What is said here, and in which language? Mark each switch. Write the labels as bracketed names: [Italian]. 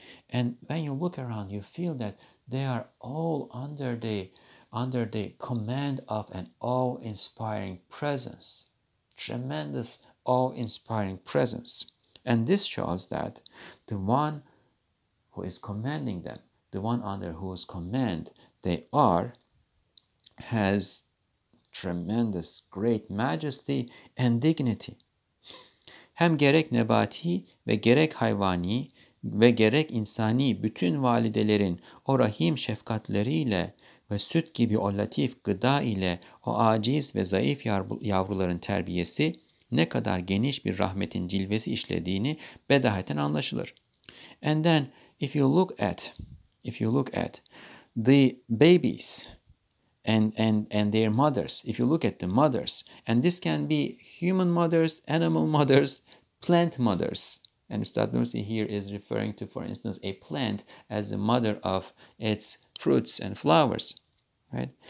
[English] And when you look around, you feel that they are all under the command of an awe-inspiring presence, tremendous awe-inspiring presence. And this shows that the one who is commanding them, the one under whose command they are, has tremendous great majesty and dignity. [Turkish] Hem gerek nebati ve gerek hayvani ve gerek insani bütün validelerin o rahim şefkatleriyle ve süt gibi o latif gıda ile o aciz ve zayıf yavruların terbiyesi ne kadar geniş bir rahmetin cilvesi işlediğini bedaheten anlaşılır. [English] And then if you look at the babies and their mothers, if you look at the mothers, and this can be human mothers, animal mothers, plant mothers. And Ustad Nursi here is referring to, for instance, a plant as the mother of its fruits and flowers. Right?